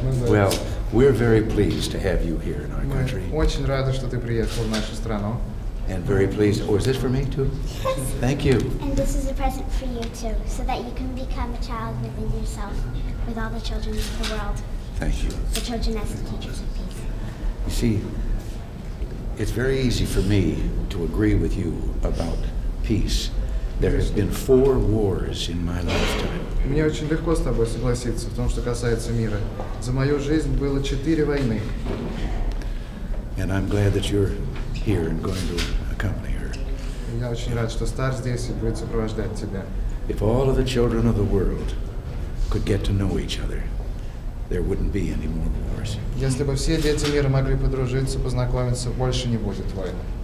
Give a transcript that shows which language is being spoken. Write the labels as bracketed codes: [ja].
[en] Well, we're very pleased to have you here in our country. [ru] Мы очень рады, что ты приехал в нашу страну. [en] And very pleased. Oh, is this for me too? Yes. Thank you. And this is a present for you too, so that you can become a child within yourself, with all the children of the world. Thank you. The children as the teachers of peace. You see, it's very easy for me to agree with you about peace. There have been 4 wars in my lifetime. [ru] Мне очень легко с тобой согласиться в том, что касается мира. За мою жизнь было 4 войны. [en] And I'm glad that you're here and going to accompany her. [ru] Я очень рад, что Стар здесь и будет сопровождать тебя. [en] If all of the children of the world could get to know each other, there wouldn't be any more wars. [ru] Если бы все дети мира могли подружиться, познакомиться, больше не будет войн.